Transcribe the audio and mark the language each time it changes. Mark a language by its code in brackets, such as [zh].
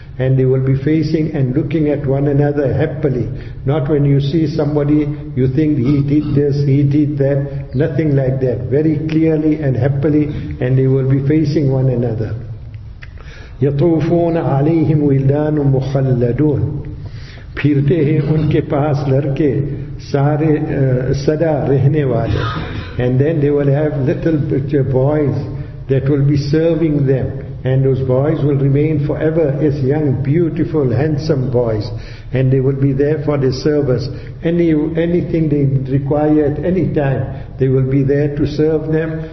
[en] And they will be facing and looking at one another happily. Not when you see somebody, you think he did this, he did that. Nothing like that. Very clearly and happily, and they will be facing one another. [ar] يَطُوفُونَ عَلَيْهِمْ وِلْدَانٌ مُخَلَّدُونَ. [ur] پھرتے ہیں ان کے پاس لڑکے سارے صدا رہنے والے. [en] And then they will have little boys that will be serving them. And those boys will remain forever as young, beautiful, handsome boys. And they will be there for the service. Anything they require at any time, they will be there to serve them.